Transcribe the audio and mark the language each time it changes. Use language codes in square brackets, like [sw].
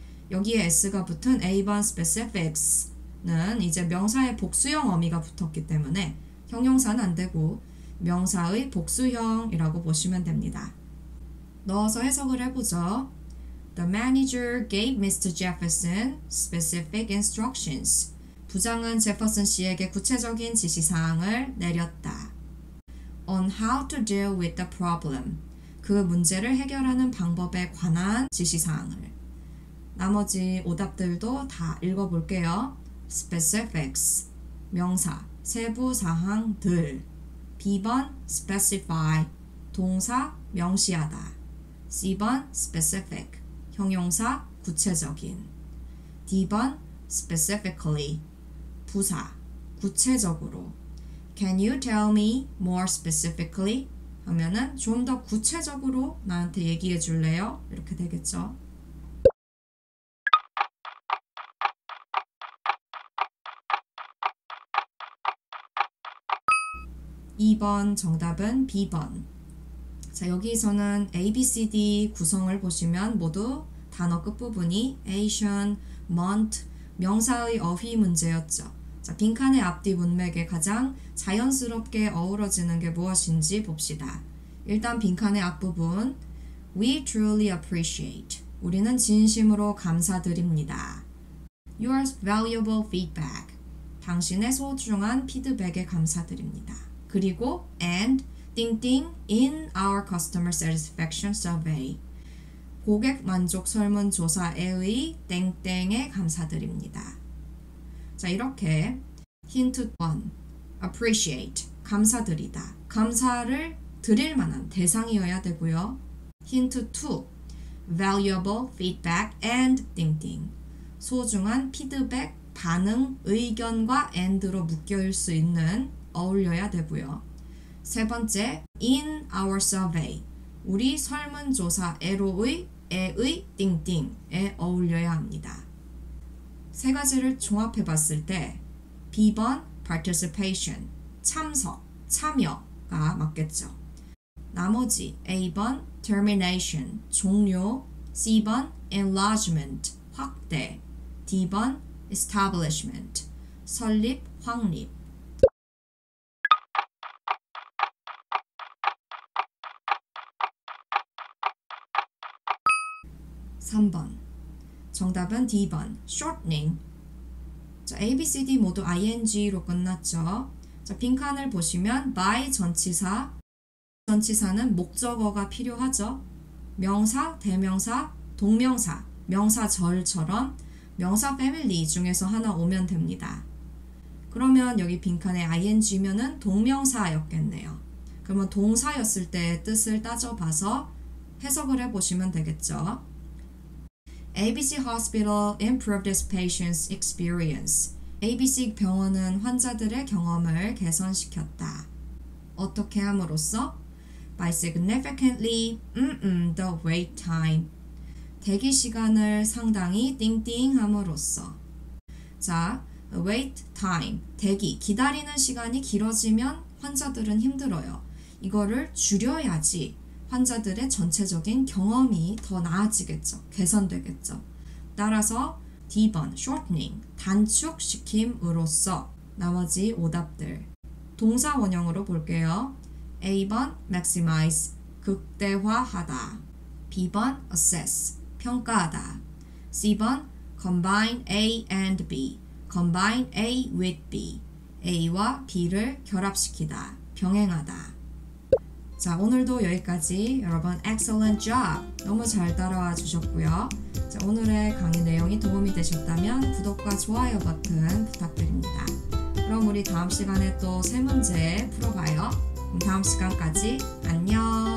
[ko] 여기에 S가 붙은 A번 specifics는 이제 명사의 복수형 어미가 붙었기 때문에 형용사는 안 되고 명사의 복수형이라고 보시면 됩니다. 넣어서 해석을 해보죠. [en] The manager gave Mr. Jefferson specific instructions. [ko] 부장은 제퍼슨 씨에게 구체적인 지시 사항을 내렸다. [en] On how to deal with the problem. [ko] 그 문제를 해결하는 방법에 관한 지시 사항을. 나머지 오답들도 다 읽어볼게요. Specifics. 명사. 세부 사항들. B번 specify. 동사. 명시하다. C번 specific. 형용사, 구체적인. D번, specifically. 부사, 구체적으로. [en] Can you tell me more specifically? [ko] 하면은 좀더 구체적으로 나한테 얘기해 줄래요? 이렇게 되겠죠. 2번 정답은 B번. 자, 여기서는 A, B, C, D 구성을 보시면 모두 단어 끝부분이 Asian, Mont, 명사의 어휘 문제였죠. 자, 빈칸의 앞뒤 문맥에 가장 자연스럽게 어우러지는 게 무엇인지 봅시다. 일단 빈칸의 앞부분, [en] We truly appreciate. [ko] 우리는 진심으로 감사드립니다. [en] Your valuable feedback. [ko] 당신의 소중한 피드백에 감사드립니다. 그리고 [en] and, [ko] 띵띵, [en] in our customer satisfaction survey. [ko] 고객 만족 설문조사에의 땡땡에 감사드립니다. 자, 이렇게 힌트 1. Appreciate. 감사드리다. 감사를 드릴 만한 대상이어야 되고요. 힌트 2. [en] Valuable feedback and [ko] 띵띵. 소중한 피드백, 반응, 의견과 and로 묶여 있을 수 있는 어울려야 되고요. 세 번째, [en] in our survey. [ko] 우리 설문조사에로의 에의 띵띵에 어울려야 합니다. 세 가지를 종합해 봤을 때 B번 participation, 참석, 참여가 맞겠죠. 나머지 A번 termination, 종료, C번 enlargement, 확대, D번 establishment, 설립, 확립. 3번. 정답은 D번. shortening. 자, A, B, C, D 모두 ing로 끝났죠. 자, 빈칸을 보시면 by 전치사. 전치사는 목적어가 필요하죠. 명사, 대명사, 동명사, 명사절처럼 명사 패밀리 중에서 하나 오면 됩니다. 그러면 여기 빈칸에 ing면은 동명사였겠네요. 그러면 동사였을 때의 뜻을 따져봐서 해석을 해보시면 되겠죠. [en] ABC Hospital improved its patients' experience. [ko] ABC 병원은 환자들의 경험을 개선시켰다. 어떻게 함으로써? [en] by significantly, the wait time. [ko] 대기 시간을 상당히 띵띵함으로써. 자, wait time, 대기, 기다리는 시간이 길어지면 환자들은 힘들어요. 이거를 줄여야지 환자들의 전체적인 경험이 더 나아지겠죠. 개선되겠죠. 따라서 D번, shortening, 단축시킴으로써 나머지 오답들. 동사 원형으로 볼게요. A번, maximize, 극대화하다. B번, assess, 평가하다. C번, [en] combine A and B, combine A with B, [ko] A와 B를 결합시키다, 병행하다. 자, 오늘도 여기까지. 여러분, [en] excellent job! [ko] 너무 잘 따라와 주셨고요. 자, 오늘의 강의 내용이 도움이 되셨다면 구독과 좋아요 버튼 부탁드립니다. 그럼 우리 다음 시간에 또 세 문제 풀어봐요. 그럼 다음 시간까지 안녕!